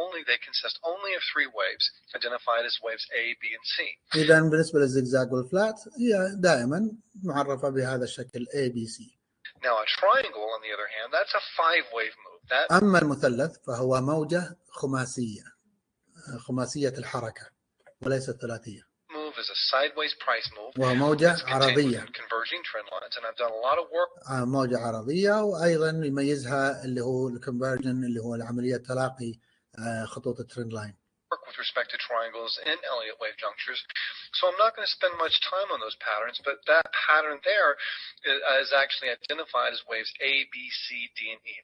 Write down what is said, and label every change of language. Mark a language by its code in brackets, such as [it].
[en] They consist only of three waves, identified as waves A, B, and C. [ar] إذن بالنسبة للزجزاج والفلات هي دائما معرفة بهذا الشكل A, B, C. [en] Now a triangle, on the other hand, that's a five-wave move. [ar] أما المثلث فهو موجة خماسية الحركة. وليس الثلاثية. [en] Move is a sideways price move. [ar] وموجة عرضية. [en] Converging trend lines, and I've done a lot of work. [ar] موجة عرضية وأيضا يميزها اللي هو conversion اللي هو العملية تلاقي خطوط الترند لاين. [en] Work with respect to triangles and Elliott wave junctures, so I'm not going to spend much time on those patterns, but that pattern there is actually identified as waves A, B, C, D, and E.